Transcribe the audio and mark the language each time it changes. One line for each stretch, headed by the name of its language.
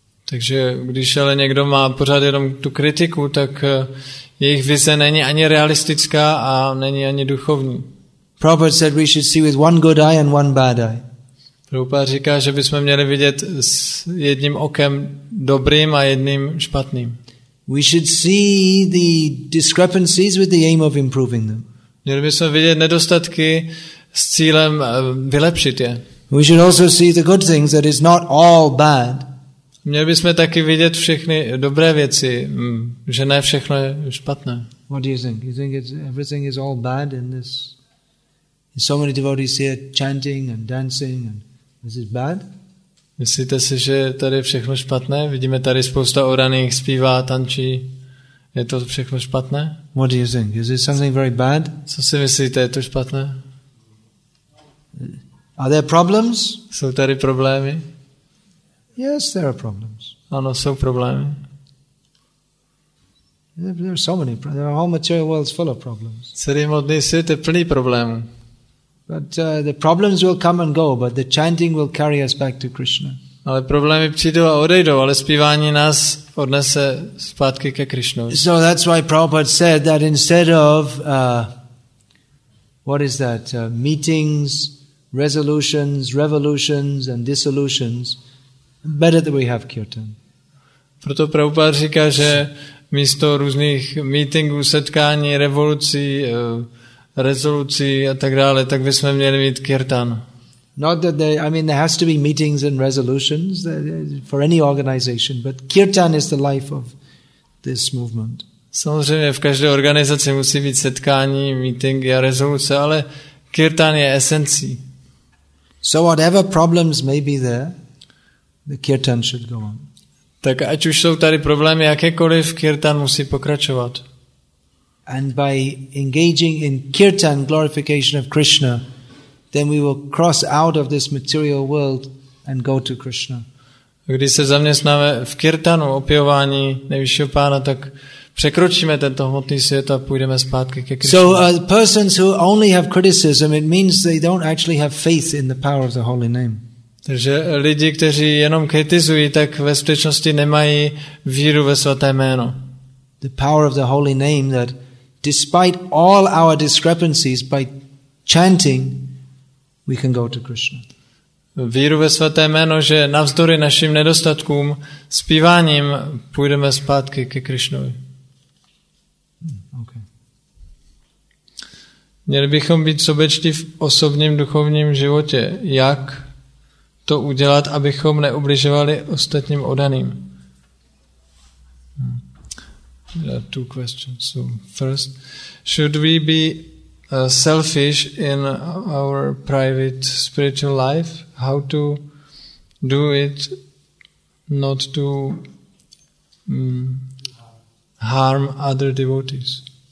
Czech: Takže když ale někdo má pořád jenom tu kritiku, tak jejich vize není ani realistická a není ani duchovní.
English: Prabhupada said we should see with one good eye and one bad eye.
Czech: Prabhupada říká, že bychom měli vidět s jedním okem dobrým a jedním špatným.
English: We should see the discrepancies with the aim of improving them.
Czech: Měli bychom vidět nedostatky s cílem vylepšit je.
English: We should also see the good things, that is not all bad.
Czech: Měli bychom taky vidět všechny dobré věci, že ne všechno je špatné.
English: What do you think? You think it's, everything is all bad in this? So many devotees here chanting and dancing, and this is bad?
Czech: Myslíte si, že tady je všechno špatné? Vidíme tady spousta oraných, zpívá, tančí. Je to všechno špatné?
English: What do you think? Is it something very bad?
Czech: Co si myslíte, je to špatné?
English: Are there problems?
Czech: Jsou tady problémy?
English: Yes, there are problems.
Czech: Ano, jsou problémy.
English: There are so many problems. The whole material world is full of problems.
Czech: Celý hmotný svět je plný problémů.
English: But the problems will come and go, but the chanting will carry us back to Krishna.
Czech: Ale problémy přijdou a odejdou, ale zpívání nás odnese zpátky ke Krishnovi.
English: So that's why Prabhupada said that instead of what is that? Meetings, resolutions, revolutions and dissolutions, better that we have kirtan.
Czech: Proto Prabhupada říká, že místo různých meetingů, setkání, revolucí, rezolucí a tak dále, tak bychom měli mít kirtan.
English: Not that they, I mean, there has to be meetings and resolutions for any organization, but kirtan is the life of this movement.
Czech: Samozřejmě v každé organizaci musí být setkání, meetingy a rezoluce, ale kirtan je esencí.
English: So whatever problems may be there, the kirtan should go on.
Czech: Tak ať už jsou tady problémy jakékoliv, kirtan musí pokračovat.
English: And by engaging in kirtan, glorification of Krishna, then we will cross out of this material world and go to Krishna.
Czech: Když se zaměstnáme v kirtanu, opěvání nejvyššího pána, tak překročíme tento hmotný svět a půjdeme zpátky ke Krishna.
English: So persons who only have criticism, it means they don't actually have faith in the power of the holy name.
Czech: Takže lidi, kteří jenom kritizují, tak ve skutečnosti nemají víru ve svaté jméno.
English: The power of the holy name, that despite all our discrepancies, by chanting, we can go to Krishna.
Czech: Víru ve svaté jméno, že navzdory našim nedostatkům, zpíváním půjdeme zpátky ke Krišnovi.
English: Okay.
Czech: Měli bychom být sobečtí v osobním duchovním životě. Jak to udělat, abychom neubližovali ostatním oddaným?
English: There are two questions. So first, should we be selfish in our private spiritual life? How to do it not to harm other devotees?